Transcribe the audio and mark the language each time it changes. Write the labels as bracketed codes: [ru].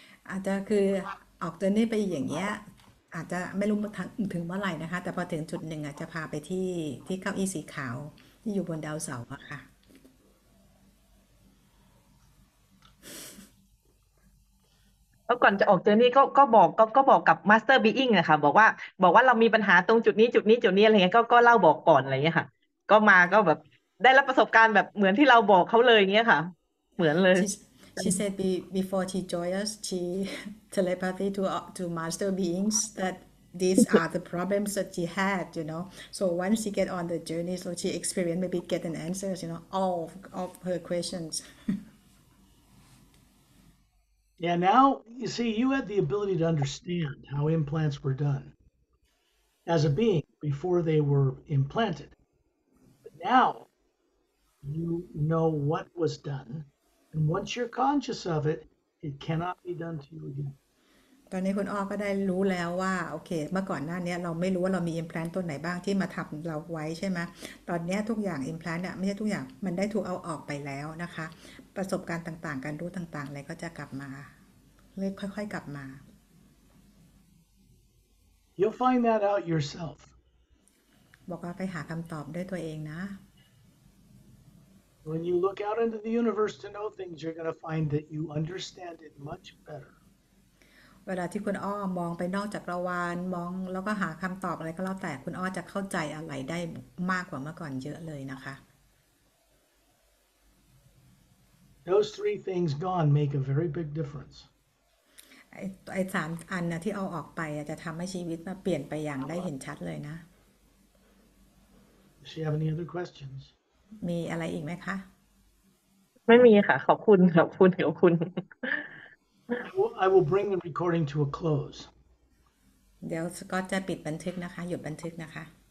[th] อาจจะคือออกตัวนี้ไปอย่างเงี้ยอาจจะไม่รู้ถึงเมื่อไหร่นะคะแต่พอถึงจุดหนึ่งอ่ะจะพาไปที่เก้าอี้สีขาวที่อยู่บนดาวเสาร์อะค่ะ แล้วก่อนจะออกเจอร์นี่ก็บอกกับมาสเตอร์บีอิงนะคะบอกว่าเรามีปัญหาตรงจุดนี้จุดนี้จุดนี้อะไรเงี้ยก็เล่าบอกก่อนอะไรเงี้ยค่ะก็มาก็แบบได้รับประสบการณ์แบบเหมือนที่เราบอกเขาเลยเงี้ยค่ะเหมือนเลย [en] She said before she joined us, she telepathy to master beings that these are the problems that she had, you know. So once she get on the journey, so she experience maybe get an answer, you know, all of her questions. Yeah, now you see, you had the ability to understand how implants were done as a being before they were implanted. But now you know what was done, and once you're conscious of it, it cannot be done to you again. [th] ตอนนี้คุณอ้อก็ได้รู้แล้วว่าโอเคเมื่อก่อนหน้านี้เราไม่รู้ว่าเรามีอิมแพลนต์ตัวไหนบ้างที่มาทับเราไว้ใช่ไหมตอนนี้ทุกอย่างอิมแพลนต์เนี่ยไม่ใช่ทุกอย่างมันได้ถูกเอาออกไปแล้วนะคะประสบการณ์ต่างๆการรู้ต่างๆอะไรก็จะกลับมาเรื่อยๆค่อยๆกลับมา [en] You'll find that out yourself. [th] บอกว่าไปหาคำตอบด้วยตัวเองนะ [en] When you look out into the universe to know things, you're going to find that you understand it much better. [th] เวลาที่คุณอ้อมองไปนอกจักรวาลมองแล้วก็หาคำตอบอะไรก็แล้วแต่คุณอ้อจะเข้าใจอะไรได้มากกว่าเมื่อก่อนเยอะเลยนะคะ [en] Those three things gone make a very big difference. [th] ไอ้สามอันนะที่เอาออกไปจะทำให้ชีวิตมาเปลี่ยนไปอย่างได้เห็นชัดเลยนะ [en] Does she have any other questions? [th] มีอะไรอีกไหมคะ ไม่มีค่ะขอบคุณขอบคุณขอบคุณ [en] I will bring the recording to a close. [th] เดี๋ยวสกอตจะปิดบันทึกนะคะหยุดบันทึกนะคะ